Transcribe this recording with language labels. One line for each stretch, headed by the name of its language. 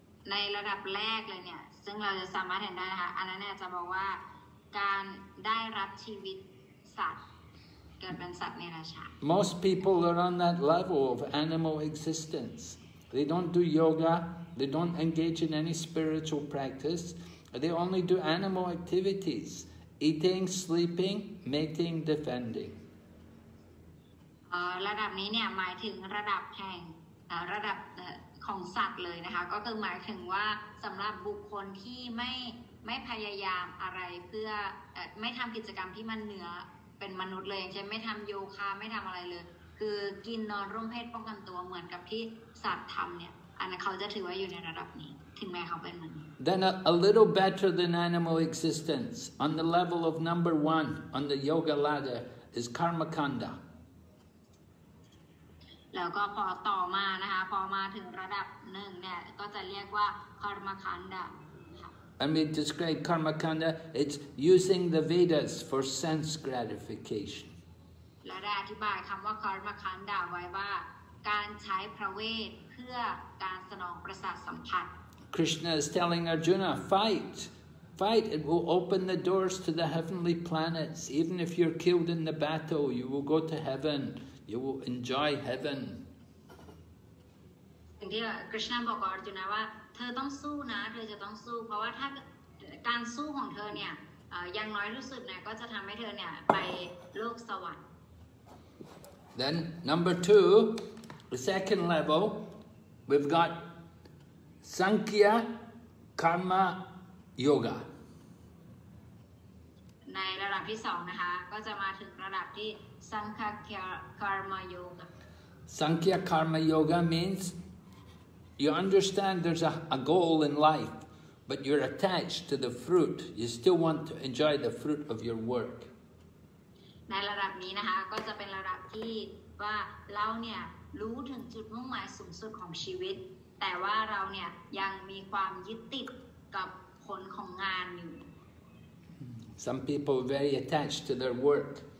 Thai: ในระดับแรกเลยเนี่ยซึ่งเราจะสามารถเห็นได้นะคะอันนั้นเนี่ยจะบอกว่าการได้รับชีวิตสัตว์เกิดเป็นสัตว์ในราชา
English: Most people are on that level of animal existence. They don't do yoga, they don't engage in any spiritual practice. They only do animal activities, eating, sleeping, mating, defending.
Thai: ระดับนี้เนี่ยหมายถึงระดับแห่งระดับของสัตว์เลยนะคะก็คือหมายถึงว่าสำหรับบุคคลที่ไม่พยายามอะไรเพื่อไม่ทำกิจกรรมที่มันเหนือเป็นมนุษย์เลยอย่างเช่นไม่ทำโยคะไม่ทำอะไรเลยคือกินนอนร่มเพศป้องกันตัวเหมือนกับที่สัตว์ทำเนี่ยอันนั้นเขาจะถือว่าอยู่ในระดับนี้
English: Then a little better than animal existence on the level of number one on the yoga ladder is karmakanda.
Thai: แล้วก็พอต่อมานะคะพอมาถึงระดับหนึ่งเนี่ยก็จะเรียกว่า karmakanda.
English: And we describe karmakanda. It's using the Vedas for sense gratification.
Thai: และได้อธิบายคำว่า karmakanda ไว้ว่าการใช้พระเวทเพื่อการสนองประสาทสัมผัส
English: Krishna is telling Arjuna, fight, it will open the doors to the heavenly planets. Even if you're killed in the battle, you will go to heaven, you will enjoy heaven.
Thai: Krishna บอก Arjuna ว่าเธอต้องสู้นะเธอจะต้องสู้เพราะว่าถ้าการสู้ของเธอเนี่ยยังน้อยรู้สึกเนี่ยก็จะทำให้เธอเนี่ยไปโลกสวรรค์
English: Then number two, the second level, we've got,Sankhya Karma Yoga.
Thai: ในระดับที่สองนะคะก็จะมาถึงระดับที่ Sankhya Karma Yoga.
English: Sankhya Karma Yoga means you understand there's a goal in life, but you're attached to the fruit. You still want to enjoy the fruit of your work.
Thai: ในระดับนี้นะคะก็จะเป็นระดับที่ว่าเราเนี่ยรู้ถึงจุดมุ่งหมายสูงสุดของชีวิตแต่ว่าเราเนี่ยยังมีความยึดติดกับผลของงานอยู่
English: Some people are very attached to their work.